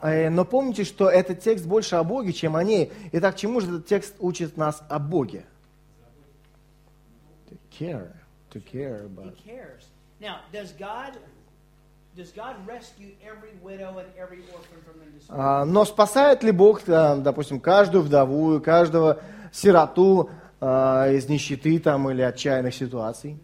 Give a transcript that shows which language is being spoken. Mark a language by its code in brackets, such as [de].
[ru] Но помните, что этот текст больше о Боге, чем о ней. Итак, чему же этот текст учит нас о Боге? [en] To care about. He cares. Now, does God rescue every widow and every orphan from the distress? [ru] Но спасает ли Бог, допустим, каждую вдову, каждого сироту из нищеты там или отчаянных ситуаций?